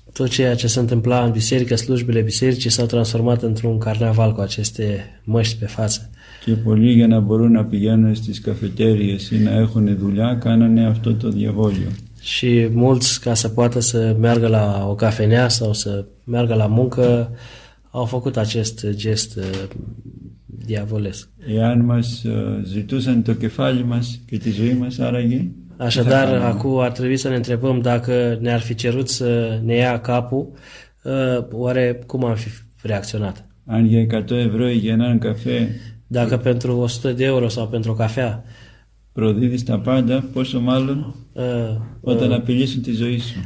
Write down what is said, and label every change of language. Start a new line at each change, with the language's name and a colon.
Romanian: Tot ceea ce se întâmpla în biserică, slujbile bisericii s-au transformat într-un carnaval cu aceste măști pe față.
Greek: Και πολλοί για να μπορούν να πηγαίνουν στις καφετέριες ή να έχουν δουλειά κάνανε αυτό το διαβόλιο.
Romanian: Și mulți, ca să poată să meargă la o cafenea sau să meargă la muncă, au făcut acest gest diavolesc.
Greek: Εάν μας ζητούσαν το κεφάλι μας και τη ζωή μας, άραγε.
Romanian: Așadar, acum ar trebui să ne întrebăm dacă ne-ar fi cerut să ne ia capul, oare cum am fi reacționat?
Greek: Αν για 100 ευρώ ή για έναν καφέ.
Romanian: Dacă pentru 100 de euro sau pentru o cafea.
Greek: Προδίδεις τα πάντα, πόσο μάλλον όταν απειλήσουν τη ζωή σου.